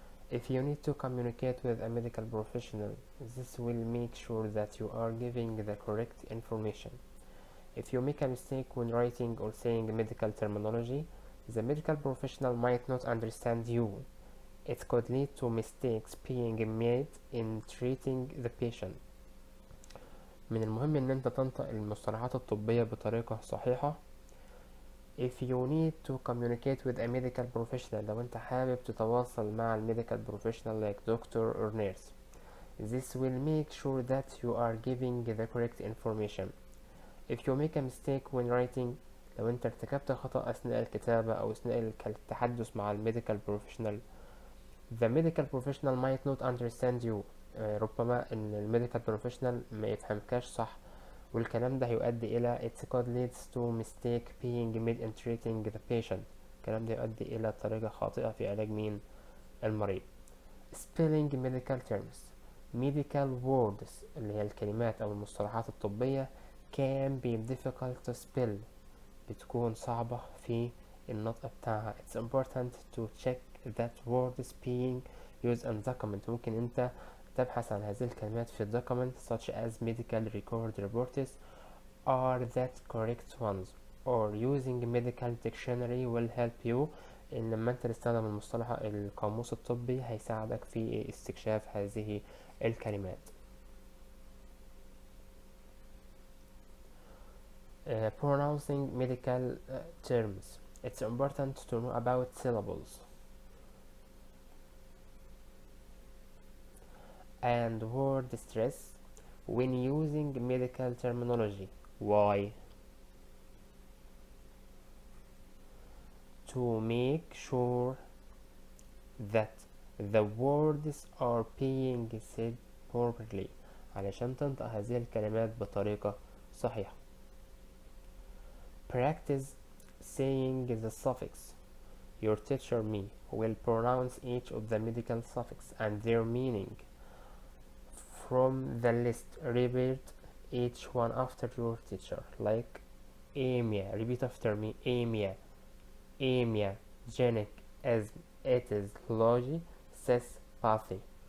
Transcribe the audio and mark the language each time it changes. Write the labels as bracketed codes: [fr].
[en] If you need to communicate with a medical professional, this will make sure that you are giving the correct information. If you make a mistake when writing or saying medical terminology, the medical professional might not understand you. It could lead to mistakes being made in treating the patient. [ar] من المهم ان انت تنطق المصطلحات الطبية بطريقة صحيحة. [en] If you need to communicate with a medical professional, [ar] لو انت حابب تتواصل مع [en] medical professional like doctor or nurse, this will make sure that you are giving the correct information. If you make a mistake when writing, [ar] لو انت ارتكبت خطأ أثناء الكتابة أو أثناء التحدث مع [en] medical professional, the medical professional might not understand you. [ar] ربما ان medical professional ما يفهمكش صح. والكلام ده هيؤدي إلى [en] it could lead to mistake being made in treating the patient. [ar] الكلام ده يؤدي إلى طريقة خاطئة في علاج مين المريض. [en] Spelling medical terms. Medical words [ar] اللي هي الكلمات أو المصطلحات الطبية [en] can be difficult to spell. [ar] بتكون صعبة في النطق بتاعها. [en] It's important to check that words being used in the comment. [ar] ممكن أنت تبحث عن هذه الكلمات في الدوكمنت [en] such as medical record reports are that correct ones or using medical dictionary will help you. [ar] ان لما انت تستخدم المصطلح القاموس الطبي هيساعدك في استكشاف هذه الكلمات. [en] Pronouncing medical terms. It's important to know about syllables and word stress when using medical terminology. Why? To make sure that the words are being said properly. [ar] علشان تنطق هذه الكلمات بطريقة صحيحة. [en] Practice saying the suffix. Your teacher me will pronounce each of the medical suffix and their meaning. From the list, repeat each one after your teacher, like amia, repeat after me, amia, amia, genic, asm, etis, logy, cis, pathy.